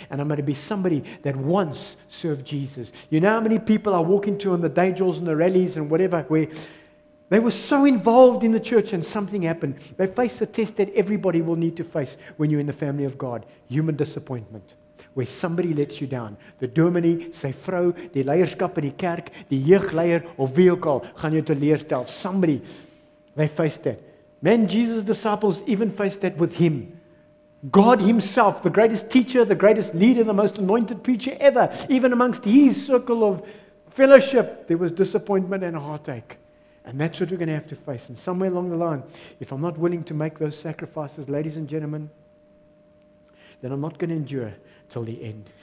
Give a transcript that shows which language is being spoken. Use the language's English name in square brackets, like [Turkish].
[English] And I'm going to be somebody that once served Jesus. You know how many people I walk into on the day jobs and the rallies and whatever, where they were so involved in the church and something happened. They face the test that everybody will need to face when you're in the family of God. Human disappointment. Where somebody lets you down. [Afrikaans] The dominee, sy vrou, die leierskap in die kerk, die jeugleier of wie ook al, gaan jou teleurstel. [English] Somebody, they face that. Man, Jesus' disciples even faced that with Him. God Himself, the greatest teacher, the greatest leader, the most anointed preacher ever, even amongst His circle of fellowship, there was disappointment and heartache. And that's what we're going to have to face. And somewhere along the line, if I'm not willing to make those sacrifices, ladies and gentlemen, then I'm not going to endure till the end.